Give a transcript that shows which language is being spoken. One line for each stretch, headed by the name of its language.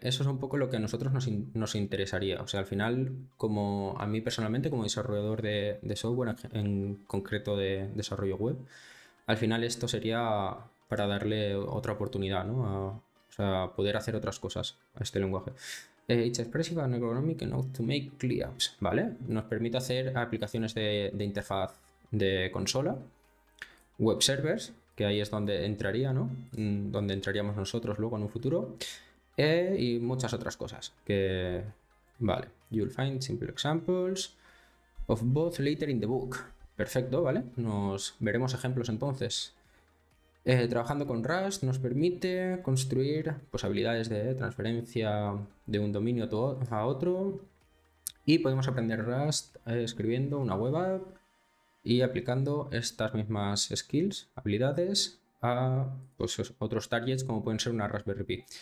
Spanish: Eso es un poco lo que a nosotros nos interesaría. O sea, al final, como a mí personalmente, como desarrollador de software, en concreto de desarrollo web, al final esto sería para darle otra oportunidad, ¿no? O sea, poder hacer otras cosas a este lenguaje.
English: It's expressive and ergonomic enough to make cleanups.
Spanish: Vale, nos permite hacer aplicaciones de interfaz de consola. Web servers, que ahí es donde entraría, ¿no? Donde entraríamos nosotros luego en un futuro. Y muchas otras cosas. Que, vale.
English: You'll find simple examples of both later in the book.
Spanish: Perfecto, ¿vale? Nos veremos ejemplos entonces. Trabajando con Rust nos permite construir pues, habilidades de transferencia de un dominio a otro. Y podemos aprender Rust escribiendo una web app. Y aplicando estas mismas skills, habilidades, a pues, otros targets como pueden ser una Raspberry Pi.